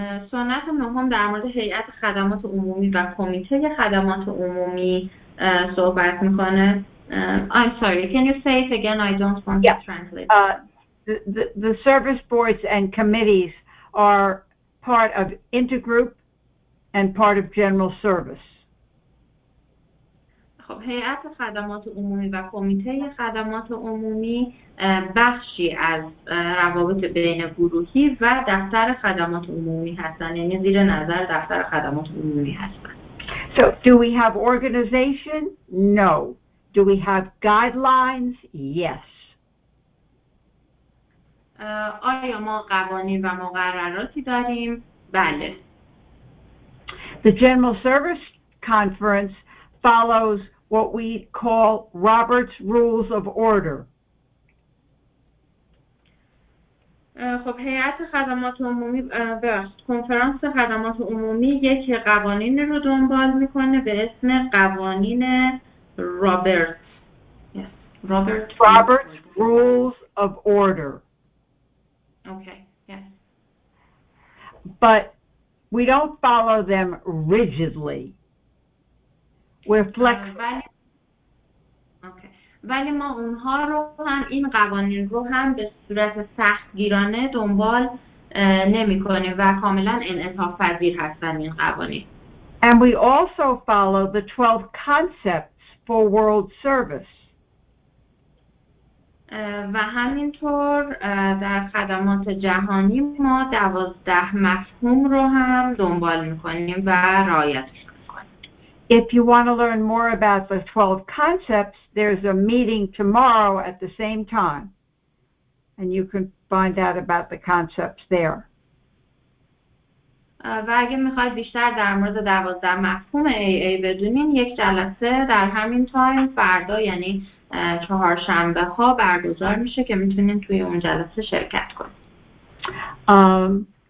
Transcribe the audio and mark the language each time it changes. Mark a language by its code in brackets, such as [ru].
[fa] سنت نهم در مورد هیئت خدمات عمومی و کمیته خدمات عمومی صحبت میکنه. [en] I'm sorry, can you say it again? I don't want yeah. to translate. The service boards and committees are part of intergroup and part of general service. [fa] خب هیئت خدمات عمومی و کمیته خدمات عمومی بخشی از روابط بین گروهی و دفتر خدمات عمومی هستند. یعنی زیر نظر دفتر خدمات عمومی هستند. [en] So, do we have organization? No. Do we have guidelines? Yes. [fa] آیا ما قوانین و مقرراتی داریم؟ بله. [en] The General Service Conference follows what we call Robert's Rules of Order. [fa] خب هیئت خدمات عمومی کنفرانس خدمات عمومی یک قوانین رو دنبال میکنه به اسم قوانین Robert's [en] Rules of Order. But we don't follow them rigidly. We're flexible. [fa] ولی ما اونها رو هم این قوانین رو هم به صورت سختگیرانه دنبال نمی کنیم و کاملا انعطاف پذیر هستن این قوانین. [en] And we also follow the 12 concepts for world service. [fa] و همینطور در خدمات جهانی ما 12 مفهوم رو هم دنبال می کنیم و رعایت می کنیم. [en] If you want to learn more about the 12 concepts, there's a meeting tomorrow at the same time, and you can find out about the concepts there. [fa] و اگه میخواید بیشتر در مورد 12 مفهوم AA بدونین، یک جلسه در همین تایم فردا یعنی چهارشنبه ها برگزار میشه که میتونین توی اون جلسه شرکت کنین.